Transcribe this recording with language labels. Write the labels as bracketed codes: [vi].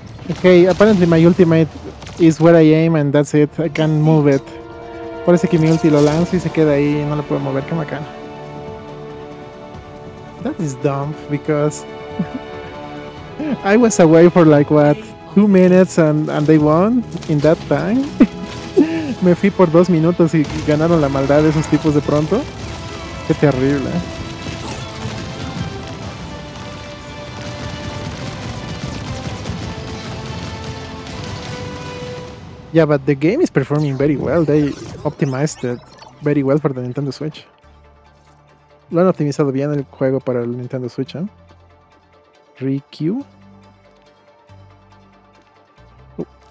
[en] Okay, apparently my ultimate is where I aim and that's it. I can't move it. [es] Parece que mi ulti lo lanzo y se queda ahí y no lo puedo mover. Qué macana. [en] That is dumb because I was away for like what, 2 minutes and they won in that time. [es] Me fui por 2 minutos y ganaron la maldad de esos tipos de pronto. Qué terrible, eh. [en] Yeah, but the game is performing very well. They optimized it very well for the Nintendo Switch. [es] Lo han optimizado bien el juego para el Nintendo Switch, eh? Riku? Oh.